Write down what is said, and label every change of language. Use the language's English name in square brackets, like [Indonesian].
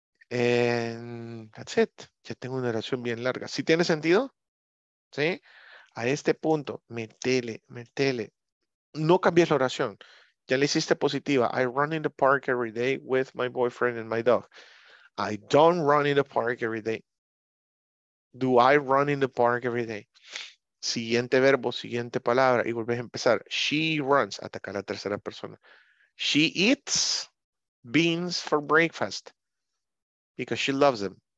[English] And that's it. [Spanish] Ya tengo una oración bien larga. ¿Sí tiene sentido? ¿Sí? A este punto, metele. No cambies la oración. Ya la hiciste positiva. [English] I run in the park every day with my boyfriend and my dog. I don't run in the park every day. Do I run in the park every day? [Spanish] siguiente verbo, siguiente palabra, y volvés a empezar. [English] She runs, [Spanish] ataca a la tercera persona. [English] She eats beans for breakfast because she loves them.